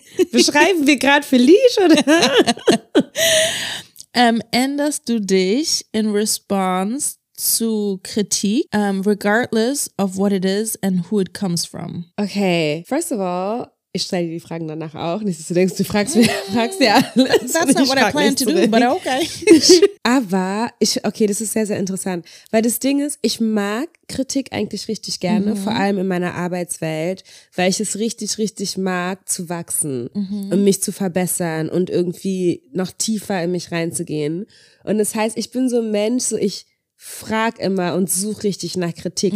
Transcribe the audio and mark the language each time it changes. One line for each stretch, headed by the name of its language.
German: beschreiben wir gerade Felice, oder? Änderst du dich
English: in response
German: zu Kritik,
English: regardless of what it is and who it comes from? Okay, first of all,
German: ich stelle dir die Fragen danach auch. Nicht, dass du denkst, du fragst ja alles.
English: That's not what I plan to do, but okay.
German: Okay, das ist sehr, sehr interessant. Weil das Ding ist, ich mag Kritik eigentlich richtig gerne, vor allem in meiner Arbeitswelt, weil ich es richtig, richtig mag, zu wachsen und mich zu verbessern und irgendwie noch tiefer in mich reinzugehen. Und das heißt, ich bin so ein Mensch, so ich frag immer und such richtig nach Kritik.